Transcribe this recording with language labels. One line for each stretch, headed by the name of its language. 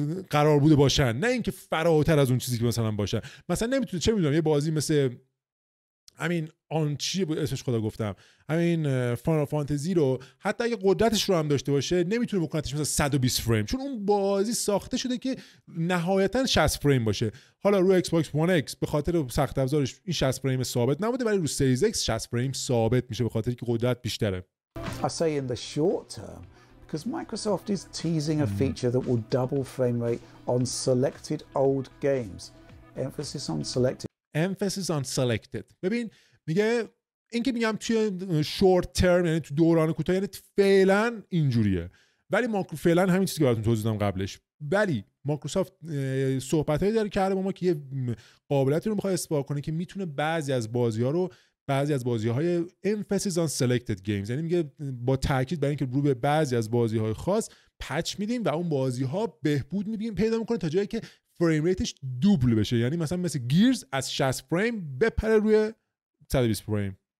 Persian: قرار بوده باشن، نه اینکه فراتر از اون چیزی که مثلا باشه، مثلا نمیتونه چه میدونم یه بازی مثل همین آن چیه بود اسمش خدا گفتم همین فاینال فانتزی رو حتی اگه قدرتش رو هم داشته باشه نمیتونه بکنتش مثلا 120 فریم، چون اون بازی ساخته شده که نهایتاً 60 فریم باشه، حالا روی ایکس باکس وان ایکس به خاطر سخت افزارش این 60 فریم ثابت نموده، ولی روی سریز ایکس 60 فریم ثابت میشه به خاطر که قدرت بیشتره.
English: I say in the short term because Microsoft is teasing a feature that will double frame rate on selected old games. Emphasis on selected. Emphasis on selected.
Persian: ببین میگه این که میگم توی
English: short term
Persian: یعنی تو دوران کوتاه یعنی فعلا اینجوریه، ولی ما فعلا همین چیزی که براتون توضیح دادم قبلش، ولی مایکروسافت صحبتایی داره کرده با ما که یه قابلیتی رو میخواد اثبات کنه که میتونه بعضی از بازی‌های
English: emphasis on selected games،
Persian: یعنی میگه با تاکید برای اینکه رو به بعضی از بازی‌های خاص پچ میدیم و اون بازی‌ها بهبود میبینیم پیدا میکنه تا جایی که فریم ریتش دوبل بشه، یعنی مثلا مثل گیرز از 60 فریم بپره روی 120 فریم.